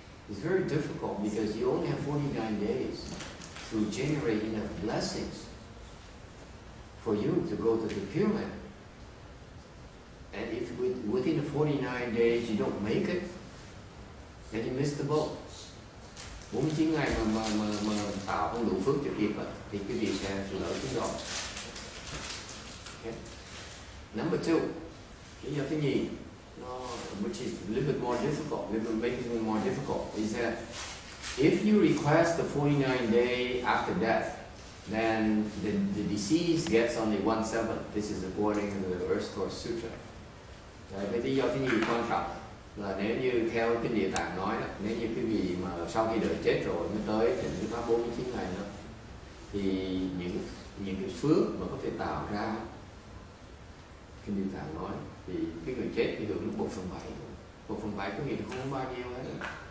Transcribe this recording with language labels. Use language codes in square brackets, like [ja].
[en] It's very difficult because you only have 49 days to generate enough blessings for you to go to the Pure Land. And if within the 49 days you don't make it, then you miss the boat. [vi] 49 ngày mà tạo không đủ phước cho kịp thì cái việc sẽ lỡ chứng đó. [en] Number two, [vi] lý do thứ nhì. [en] Which is a little bit more difficult, is that if you request the 49 day after death, then the deceased gets only 1/7. This is according to the Earth Course Sutra. [vi] Cái lý do thứ nhì quan trọng là nếu như theo kinh Địa Tạng nói đó, nếu như cái vị mà sau khi đời chết rồi mới tới thì chúng ta 49 ngày nữa, thì những cái phước mà có thể tạo ra, kinh Địa Tạng nói, thì cái người chết thì được lúc 1/7, 1/7 có nghĩa là không bao nhiêu hết.